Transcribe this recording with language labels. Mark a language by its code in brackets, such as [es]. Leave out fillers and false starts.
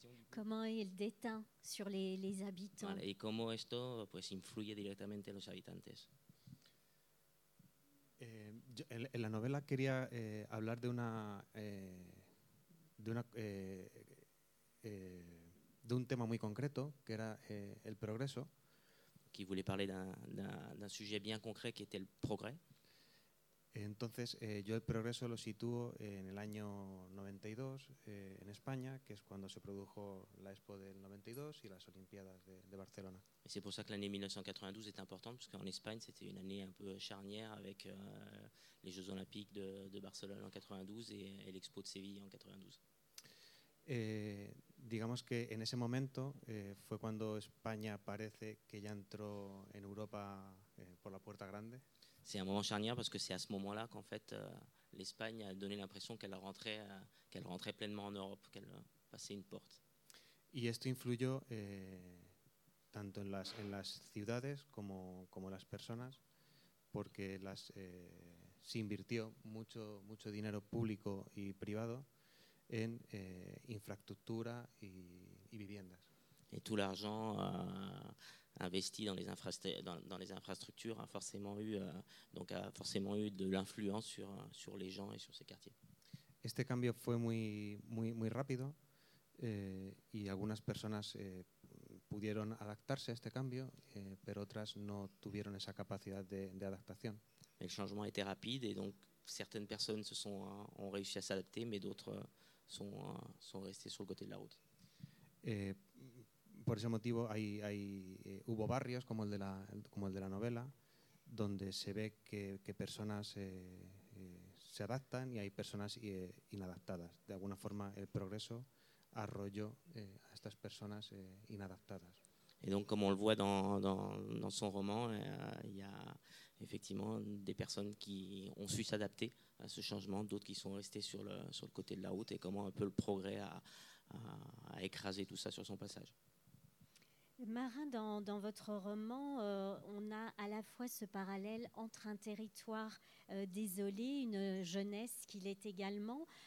[fr] comment il déteint sur les habitants. [es] Vale, y cómo esto pues influye directamente en los habitantes. En la novela quería hablar de un tema muy concreto, que era el progreso. [fr] Qui voulait parler d'un sujet bien concret qui était le progrès. [es] Entonces, yo el progreso lo sitúo en el año 92 en España, que es cuando se produjo la Expo del 92 y las Olimpiadas de Barcelona. [fr] Et c'est pour ça que l'année 1992 est importante, parce qu'en Espagne, c'était une année un peu charnière avec les Jeux Olympiques de Barcelone en 92 et l'Expo de Séville en 92. [es] Digamos que en ese momento fue cuando España parece que ya entró en Europa por la puerta grande. [fr] C'est un moment charnière parce que c'est à ce moment-là qu'en fait l'Espagne a donné l'impression qu'elle rentrait pleinement en Europe, qu'elle passait une porte. [es] Y esto influyó tanto en las ciudades como las personas, porque se invirtió mucho dinero público y privado en infraestructura y viviendas. [fr] Et tout l'argent investi dans les infrastructures a forcément eu de l'influence sur les gens et sur ces quartiers. [es] Este cambio fue muy rápido y algunas personas pudieron adaptarse a este cambio, pero otras no tuvieron esa capacidad de adaptación. [fr] El changement était rapide et donc certaines personnes ont réussi à s'adapter, mais d'autres sont restées sur le côté de la route. [es] Por ese motivo hubo barrios como el de la novela, donde se ve que personas se adaptan y hay personas inadaptadas. De alguna forma el progreso arrolló a estas personas inadaptadas. [fr] Y donc como on le voit dans son roman, il y a effectivement des personnes qui ont su s'adapter à ce changement, d'autres qui sont restées sur le côté de la route, et comment un peu le progrès a écrasé tout ça sur son passage. Marin, dans votre roman, on a à la fois ce parallèle entre un territoire désolé, une jeunesse qu'il est également.